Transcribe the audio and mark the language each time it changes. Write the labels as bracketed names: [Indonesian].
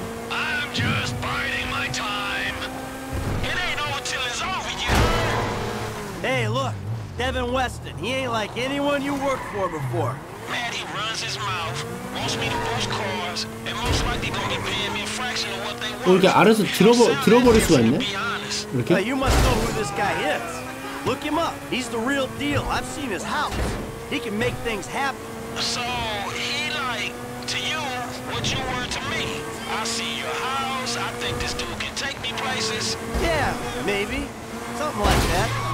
[English] I'm just biding my time. It ain't over till it's over, you. Hey, look, Devin Weston. He ain't like anyone you worked for before. Man, he runs his mouth, wants me to push cars, and most likely gonna be paying me a fraction of what they want. [Korean] 이렇게 알아서 들어버릴 수가 있네. 이렇게? [English] Now you must know who this guy is. Look him up. He's the real deal. I've seen his house. He can make things happen. So he like to you what you were to me. I see your house, I think this dude can take me places. Yeah, maybe. Something like that.